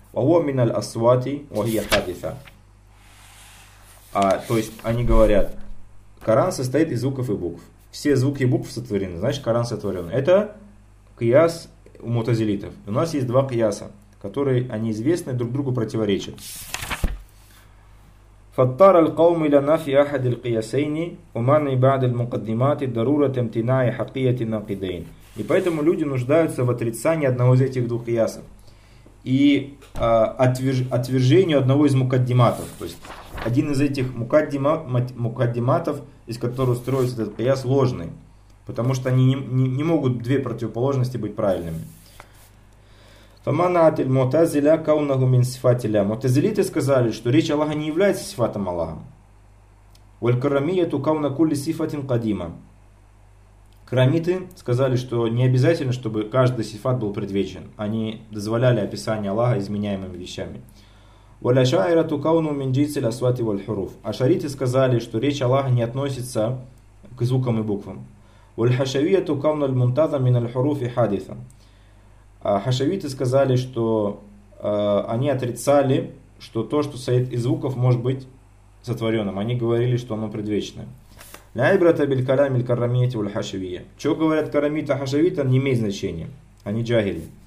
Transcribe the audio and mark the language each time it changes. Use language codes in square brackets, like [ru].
[ar] Ваху миналь асвати вахия хадиса. [ru] А то есть они говорят, Коран состоит из звуков и букв. Все звуки и буквы сотворены, значит Коран сотворен. Это кияс у мутазилитов. У нас есть два кияса, которые они известны, друг другу противоречат. [ar] فاضطر القوم الى نفي احد القياسين ومنع بعض المقدمات ضروره امتناع حقيقه الناقدين. [ru] И поэтому люди нуждаются в отрицании одного из этих двух ясов и отвержению одного из мукаддиматов. То есть один из этих мукаддиматов, из которого строится этот кияс, ложный, потому что они не могут две противоположности быть правильными. [ar] فمنعت المعتزلة كونه من صفات الله. [ru] Мутазилиты сказали, что речь Аллаха не является сифатом Аллаха. [ar] والكرامية كون كل صفة قديمة. [ru] Крамиты сказали, что не обязательно, чтобы каждый сифат был предвечен. Они дозволяли описание Аллаха изменяемыми вещами. [ar] والأشاعرة كون من جنس الأصوات والحروف. [ru] Ашариты сказали, что речь Аллаха не относится к звукам и буквам. [ar] والحشوية كون المنتظم من الحروف حادثا. [ru] А хашавиты сказали, что они отрицали, что то, что состоит из звуков, может быть сотворенным. Они говорили, что оно предвечное. [ar] Ля'ибрата биль калями аль-каррамити валь-хашавия. [ru] Что говорят карамита хашавита, не имеет значения. Они джагили.